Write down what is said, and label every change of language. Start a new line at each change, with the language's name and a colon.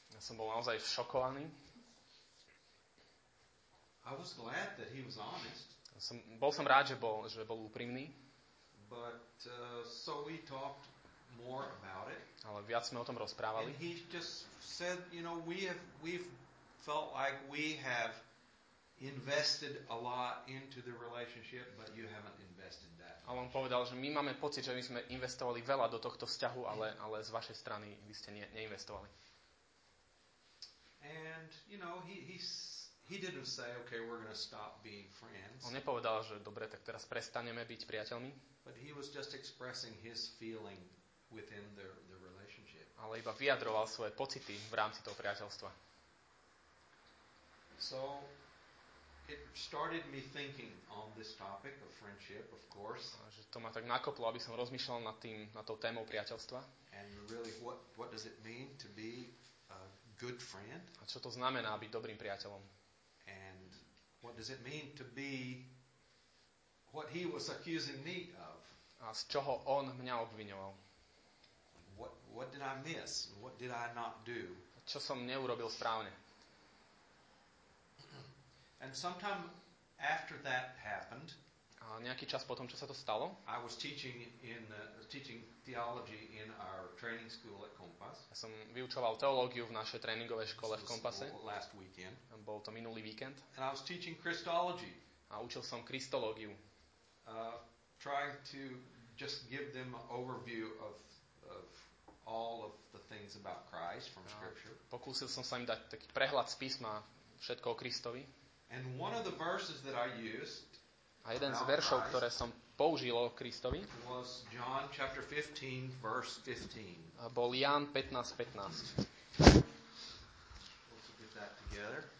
Slovak: Ja som bol naozaj šokovaný.
English: I was glad that he was honest.
Slovak: Bol som rád, že bol úprimný.
English: But so we talked more about it.
Slovak: Ale viac sme o tom rozprávali.
English: And he just said, you know, we've felt like we have invested a lot into the relationship, but you haven't invested that much.
Slovak: A on povedal, že my máme pocit, že my sme investovali veľa do tohto vzťahu, ale z vašej strany vy ste neinvestovali.
English: And you know, he didn't say, okay, we're going to stop being friends.
Slovak: On nepovedal, že dobre, tak teraz prestaneme byť priateľmi.
English: But he was just expressing his feeling within the relationship.
Slovak: Ale iba vyjadroval svoje pocity v rámci toho priateľstva.
English: So it started me thinking on this topic of friendship, of course.
Slovak: Že to ma tak nakoplo, aby som rozmýšľal nad tou témou priateľstva.
English: And really what does it mean to be a good friend?
Slovak: A čo to znamená byť dobrým priateľom?
English: And what does it mean to be what he was accusing me of?
Slovak: A z čoho on mňa obviňoval?
English: What did I miss? What did I not do?
Slovak: Čo som neurobil správne?
English: And sometime after that happened,
Slovak: a nejaký čas potom, čo sa to stalo,
English: I was teaching theology in our training school at Compass.
Slovak: Ja som vyučoval teológiu v našej tréningovej škole v Kompase.
English: Last weekend.
Slovak: Bol to minulý víkend.
English: And I was teaching Christology.
Slovak: A učil som kristológiu.
English: Trying to just give them an overview of all of the things about Christ from scripture.
Slovak: Pokúsil som sa im dať taký prehľad z písma všetko o Kristovi.
English: And one of the verses that I used,
Slovak: a jeden z veršov, ktoré som použil o Kristovi,
English: was John chapter 15 verse 15.
Slovak: Bol Ján 15:15.
English: Let's get that together.